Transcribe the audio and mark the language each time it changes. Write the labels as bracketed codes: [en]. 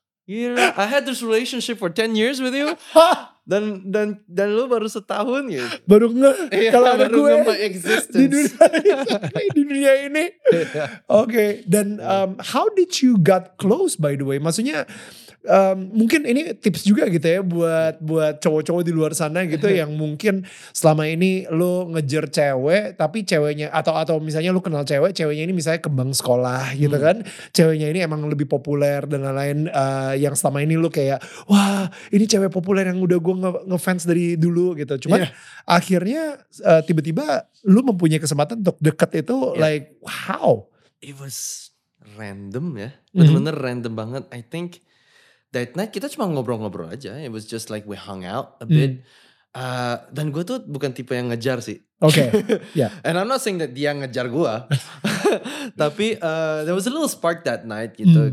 [en] Yeah, I had this relationship for 10 years with you. [id] Dan lu baru setahun gitu. Baru ngeh. [en] Yeah, [id] kalau ada gue. Baru ngeh existence. Di dunia ini. [en] Yeah. Okay. Dan how did you got close by the way? [id] Maksudnya. Mungkin ini tips juga gitu ya buat cowok-cowok di luar sana gitu yang mungkin selama ini lu ngejar cewek tapi ceweknya atau misalnya lu kenal cewek, ceweknya ini misalnya kembang sekolah gitu kan, ceweknya ini emang lebih populer dan lain-lain, yang selama ini lu kayak wah ini cewek populer yang udah gue ngefans dari dulu gitu, cuman akhirnya tiba-tiba lu mempunyai kesempatan untuk deket itu, [en] like how? It was random ya, [id] bener-bener random banget. [en] I think that night [id] kita cuma ngobrol-ngobrol aja. [en] It was just like we hung out a bit. [id] Dan gue tuh bukan tipe yang ngejar sih. [en] Okay. Yeah. And I'm not saying that [id] dia ngejar gue. Tapi [en] there was a little spark that night gitu.